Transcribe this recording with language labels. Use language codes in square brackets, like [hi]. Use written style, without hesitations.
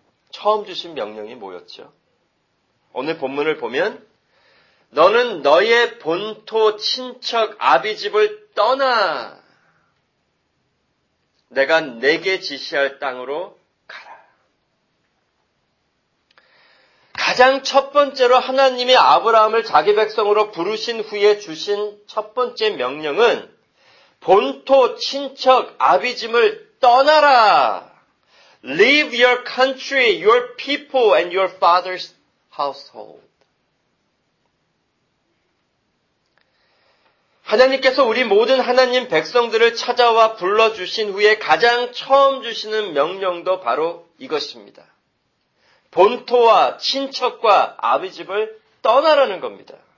[ko] 처음 주신 명령이 뭐였죠? 오늘 본문을 보면 너는 너의 본토 친척 아비집을 떠나 내가 내게 지시할 땅으로 가라. 가장 첫 번째로 하나님이 아브라함을 자기 백성으로 부르신 후에 주신 첫 번째 명령은 본토 친척 아비집을 떠나라. [en] Leave your country, your people and your father's household. [ko] 하나님께서 우리 모든 하나님 백성들을 찾아와 불러주신 후에 가장 처음 주시는 명령도 바로 이것입니다. 본토와 친척과 아비집을 떠나라는 겁니다.